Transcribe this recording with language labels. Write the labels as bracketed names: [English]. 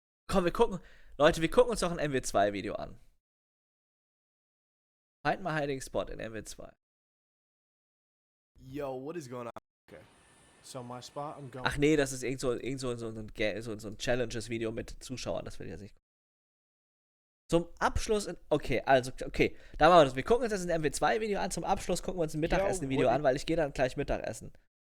[German] Komm, wir gucken. Leute, wir gucken uns noch ein MW2 Video an. [English] Find my hiding spot in MW2. Yo, what is going on? Okay. So my spot, I'm going. [German] Ach nee, das ist irgend so ein Challenges Video mit Zuschauern, das will ich jetzt nicht. Zum Abschluss, okay, da machen wir das. Wir gucken uns jetzt ein MW2 Video an. Zum Abschluss gucken wir uns ein Mittagessen Video an, weil ich gehe dann gleich Mittagessen.